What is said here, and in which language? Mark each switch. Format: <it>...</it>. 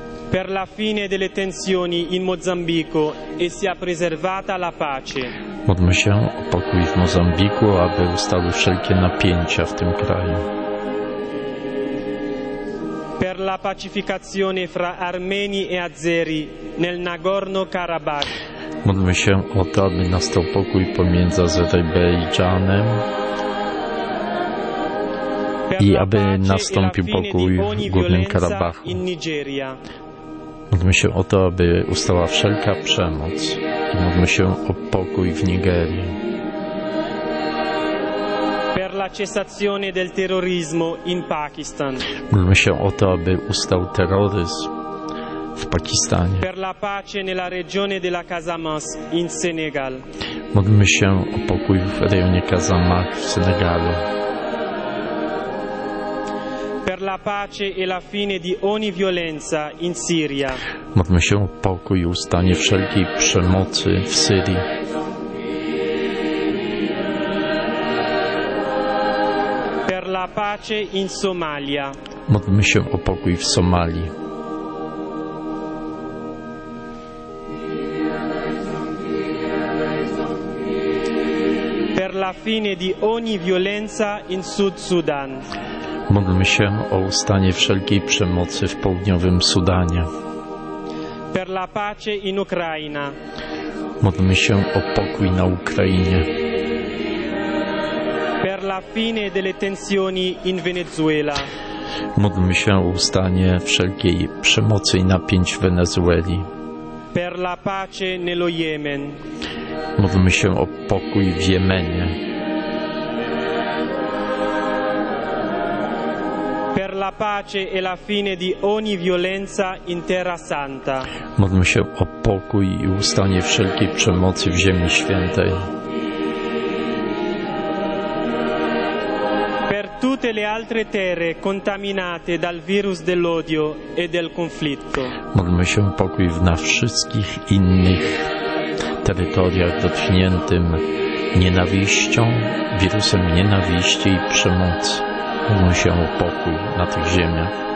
<it>Per la fine delle tensioni in Mozambico e sia preservata la pace.</it> <pl>Modlmy się o pokój w Mozambiku, aby ustały wszelkie napięcia w tym kraju.</pl> <it>Per la pacificazione fra armeni e azeri nel Nagorno-Karabakh.</it> <pl>Modlmy się o to, aby nastał pokój pomiędzy Azerbejdżanem i aby nastąpił pokój w Górnym Karabachu. Modlmy się o to, aby ustała wszelka przemoc i modlmy się o pokój w Nigerii.</pl> <it>Per la cessazione del terrorismo in Pakistan.</it> <pl>Modlmy się o to, aby ustał terroryzm w Pakistanie.</pl> <it>Per la pace nella regione della Casamance in Senegal.</it> <pl>Modlmy się o pokój w rejonie Casamac w Senegalu.</pl> <it>Per la pace e la fine di ogni violenza in Siria.</it> <pl>Modlmy się o pokój i ustanie wszelkiej przemocy w Syrii.</pl> <it>Per la pace in Somalia.</it> <pl>Modlmy się o pokój w Somalii.</pl> <it>La fine di ogni violenza in Sud Sudan.</it> <pl>Modlmy się o ustanie wszelkiej przemocy w południowym Sudanie.</pl> <it>Per la pace in Ukraina.</it> <pl>Modlmy się o pokój na Ukrainie.</pl> <it>Per la fine delle tensioni in Venezuela.</it> <pl>Modlmy się o ustanie wszelkiej przemocy i napięć w Wenezueli.</pl> <it>Per la pace nello Yemen.</it> <pl>Modlmy się o pokój w Jemenie.</pl> <it>Per la pace e la fine di ogni violenza in Terra Santa.</it> <pl>Modlmy się o pokój i ustanie wszelkiej przemocy w Ziemi Świętej.</pl> <it>Per tutte le altre terre contaminate dal virus dell'odio e del conflitto.</it> <pl>Modlmy się o pokój na wszystkich innych terytoriach dotkniętym nienawiścią, wirusem nienawiści i przemocy. Modlmy się o pokój na tych ziemiach.</pl>